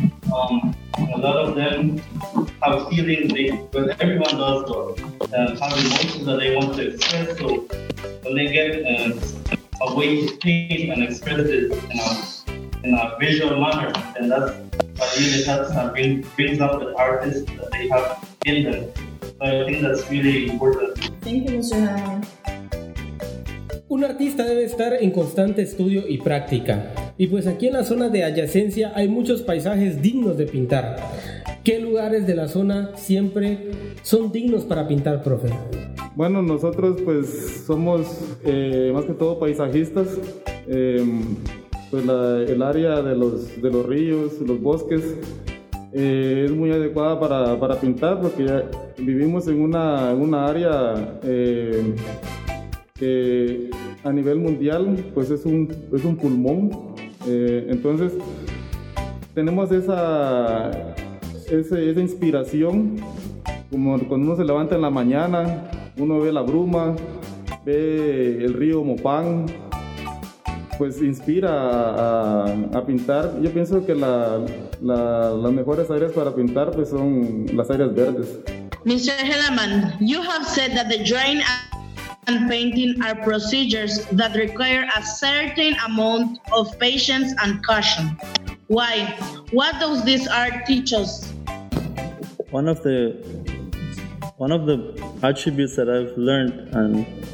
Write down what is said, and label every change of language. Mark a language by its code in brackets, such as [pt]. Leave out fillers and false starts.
[en] A lot of them have feelings, but everyone does, but have emotions that they want to express. So when they get a way to paint and express it, in a visual manner, and that's what really helps and brings out the artists that they have in them. So I think that's really important. Thank you, Mr. Hammer. [es] Un artista debe estar en constante estudio y práctica. Y pues aquí en la zona de adyacencia hay muchos paisajes dignos de pintar. ¿Qué lugares de la zona siempre son dignos para pintar, profe? Bueno, nosotros pues somos más que todo paisajistas. El área de los ríos, los bosques, es muy adecuada para pintar, porque ya vivimos en una área que a nivel mundial pues es un pulmón, entonces tenemos esa inspiración, como cuando uno se levanta en la mañana, uno ve la bruma, ve el río Mopán, pues inspira a pintar. Yo pienso que las mejores áreas para pintar pues son las áreas verdes. [en] Mr. Hedaman, you have said that the drawing and painting are procedures that require a certain amount of patience and caution. Why? What does this art teach us? One of the attributes that I've learned and